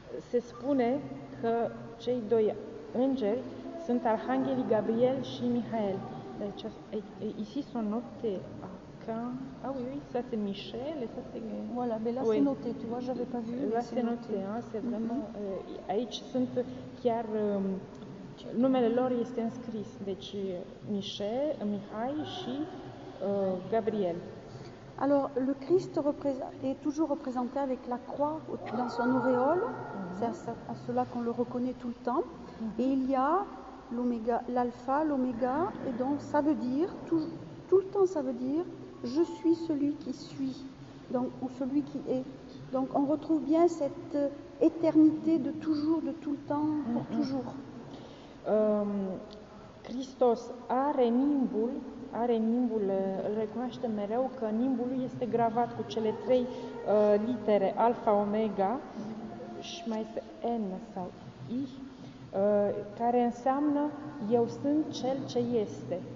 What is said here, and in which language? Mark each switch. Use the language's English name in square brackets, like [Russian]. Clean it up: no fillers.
[Romanian] Se spune că cei doi îngeri sunt arhanghelii Gabriel și Michael. Deci, [French] ici sont notés. Ah oui, ça c'est Michel et ça c'est... Voilà, mais là c'est noté, tu vois, j'avais pas vu. Là c'est noté, hein, c'est vraiment... [Romanian] aici sunt chiar... numele lor este înscris, deci Mihai și Gabriel. [French] Alors le Christ est toujours représenté avec la croix dans son auréole, c'est à cela qu'on le reconnaît tout le temps. Et il y a l'oméga, l'alpha, l'oméga, et donc ça veut dire tout le temps, ça veut dire je suis celui qui suis, donc, ou celui qui est. Donc on retrouve bien cette éternité de toujours, de tout le temps, pour mm-hmm. toujours. [Romanian] Christos are nimbul, are nimbul, îl recunoaște mereu că nimbul lui este gravat cu cele trei litere, alfa, omega, și mai este N sau I, care înseamnă eu sunt cel ce este.